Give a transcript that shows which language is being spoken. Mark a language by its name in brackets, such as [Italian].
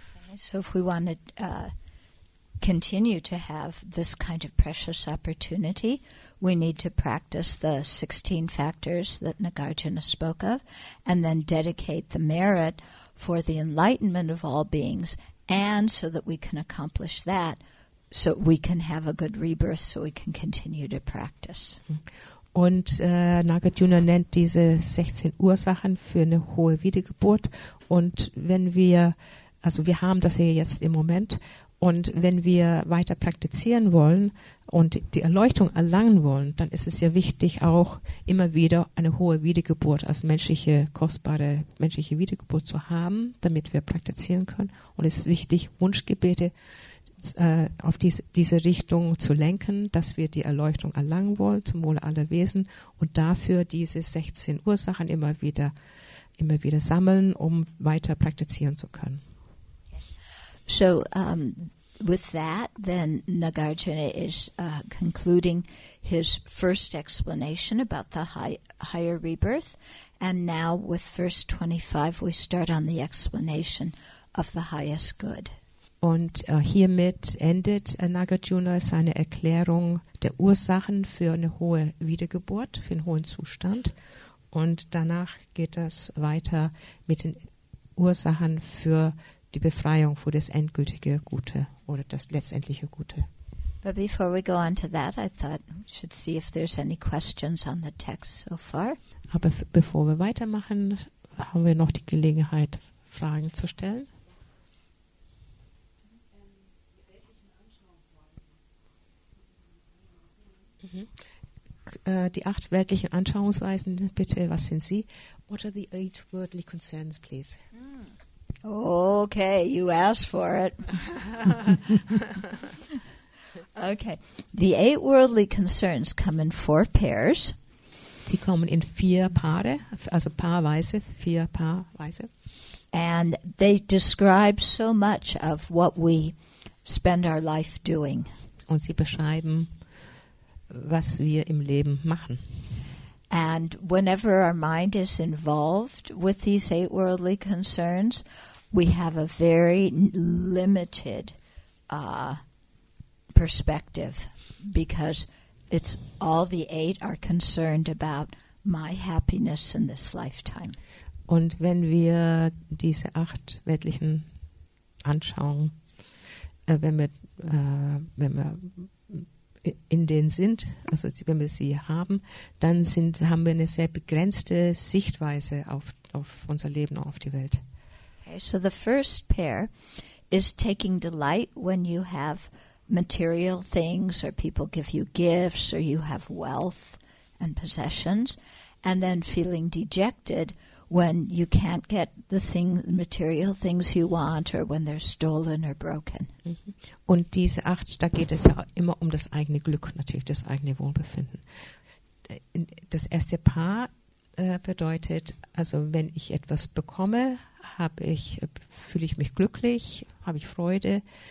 [English] Okay, so if we want to continue to have this kind of precious opportunity, we need to practice the 16 factors that Nagarjuna spoke of and then dedicate the merit for the enlightenment of all beings and so that we can accomplish that. So we can have a good rebirth, so we can continue to practice. [German] Und Nagarjuna nennt diese 16 Ursachen für eine hohe Wiedergeburt. Und wenn wir, also wir haben das hier jetzt im Moment, und wenn wir weiter praktizieren wollen und die Erleuchtung erlangen wollen, dann ist es ja wichtig, auch immer wieder eine hohe Wiedergeburt als menschliche, kostbare menschliche Wiedergeburt zu haben, damit wir praktizieren können. Und es ist wichtig, Wunschgebete auf diese Richtung zu lenken, dass wir die Erleuchtung erlangen wollen zum Wohle aller Wesen und dafür diese 16 Ursachen immer wieder sammeln, um weiter praktizieren zu können. [English] So, with that, then Nagarjuna is concluding his first explanation about the higher rebirth, and now with verse 25 we start on the explanation of the highest good. [German] Und hiermit endet Nagarjuna seine Erklärung der Ursachen für eine hohe Wiedergeburt, für einen hohen Zustand. Und danach geht es weiter mit den Ursachen für die Befreiung, für das endgültige Gute oder das letztendliche Gute. [English] But before we go on to that, I thought we should see if there's any questions on the text so far. [German] Aber bevor wir weitermachen, haben wir noch die Gelegenheit, Fragen zu stellen. Die acht weltlichen Anschauungsweisen, bitte, was sind sie? [English] What are the eight worldly concerns, please? Okay, you asked for it. Okay, the eight worldly concerns come in four pairs. [German] Sie kommen in vier Paare, also paarweise, vier paarweise. [English] And they describe so much of what we spend our life doing. [German] Und sie beschreiben, was wir im Leben machen. [English] And whenever our mind is involved with these eight worldly concerns, we have a very limited perspective, because it's all the eight are concerned about my happiness in this lifetime. [German] Und wenn wir diese acht weltlichen Anschauungen, wenn wir in denen sind, also wenn wir sie haben, dann haben wir eine sehr begrenzte Sichtweise auf unser Leben und auf die Welt. [English] Okay, so the first pair is taking delight when you have material things or people give you gifts or you have wealth and possessions, and then feeling dejected when you can't get the material things you want or when they're stolen or broken. [German] Und diese acht, da geht es ja immer um das eigene Glück, natürlich das eigene Wohlbefinden. Das erste Paar bedeutet, also wenn ich etwas bekomme, fühle ich mich glücklich, habe ich Freude.